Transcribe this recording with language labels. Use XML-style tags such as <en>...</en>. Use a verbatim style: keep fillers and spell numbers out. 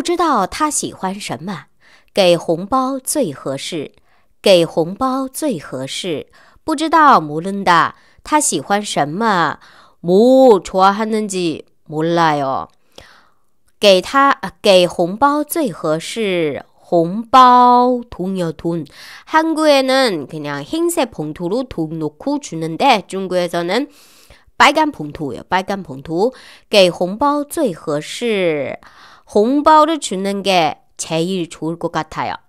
<zh>不知道他喜欢什么，不知道他喜欢什么， 给红包最合适，给红包最合适。</zh> <ko>不知道 모른다,</ko> <zh>他喜欢什么,</zh> <ko>뭐 좋아하는지 몰라요.</ko> <zh>给他, 给红包最合适, 红包,</zh> <ko>돈이요, 돈. 한국에는 그냥 흰색 봉투로 돈 놓고 주는데 중국에서는 빨간 봉투예요. 빨간 봉투.</ko> <zh>给红包最合适.</zh> <ko>홍보를 주는 게 제일 좋을 것 같아요.</ko>